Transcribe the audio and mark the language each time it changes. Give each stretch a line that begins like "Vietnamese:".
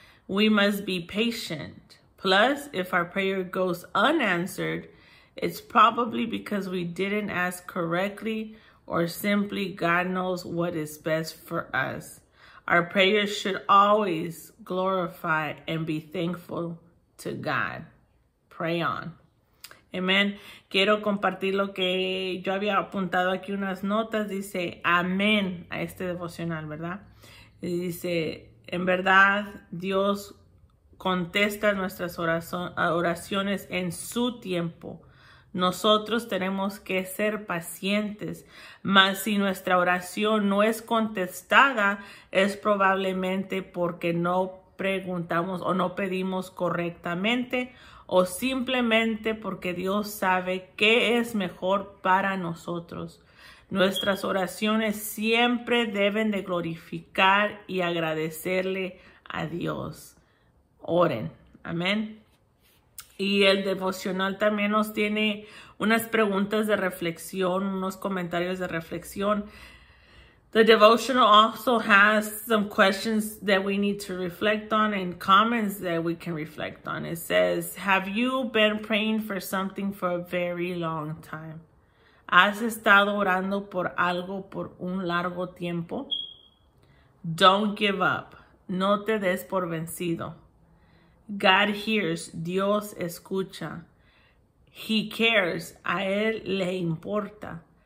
English: We must be patient. Plus, if our prayer goes unanswered, it's probably because we didn't ask correctly or simply God knows what is best for us. Our prayers should always glorify and be thankful to God. Pray on. Amen.
Spanish: Quiero compartir lo que yo había apuntado aquí unas notas. Dice, amén a este devocional, ¿verdad? Y dice, en verdad, Dios contesta nuestras oraciones en su tiempo. Nosotros tenemos que ser pacientes, mas si nuestra oración no es contestada, es probablemente porque no preguntamos o no pedimos correctamente, o simplemente porque Dios sabe qué es mejor para nosotros. Nuestras oraciones siempre deben de glorificar y agradecerle a Dios. Oren. Amén. Y el devocional también nos tiene unas preguntas de reflexión, unos comentarios de reflexión.
English: The devotional also has some questions that we need to reflect on and comments that we can reflect on. It says, have you been praying for something for a very long time?
Spanish: ¿Has estado orando por algo por un largo tiempo?
English: Don't give up.
Spanish: No te des por vencido.
English: God hears,
Spanish: Dios escucha.
English: He cares,
Spanish: a él le importa.